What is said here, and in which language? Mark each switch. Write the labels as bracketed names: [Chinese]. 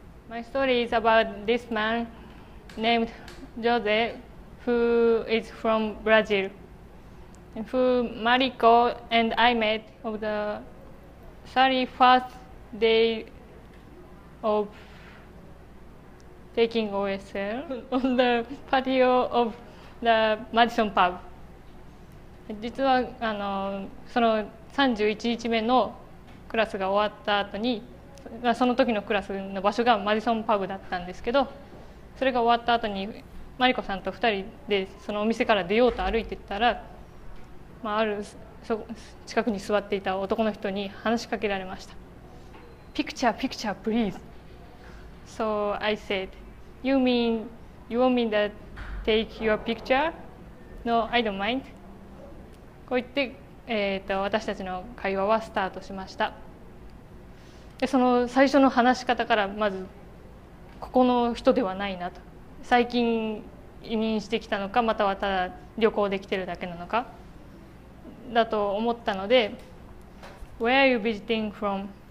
[English] My story is about this man named Jose, who is from Brazil, and who Mariko and I met on the 31st day of taking OSL on the patio of the Madison pub. [Japanese] 実はあのその31日目のクラスが終わった後に、その時のクラスの場所がマディソンパブだったんですけど、それが終わった後にマリコさんと2人でそのお店から出ようと歩いてったら、まあ、ある近くに座っていた男の人に話しかけられました。 [English] Picture, picture, please. So I said, you want me to take your picture? No, I don't mind. [Japanese] こう言って、私たちの会話はスタートしました。でその最初の話し方からまずここの人ではないなと、最近移民してきたのか、またはただ旅行できてるだけなのかだと思ったので、 [English] Where are you visiting from?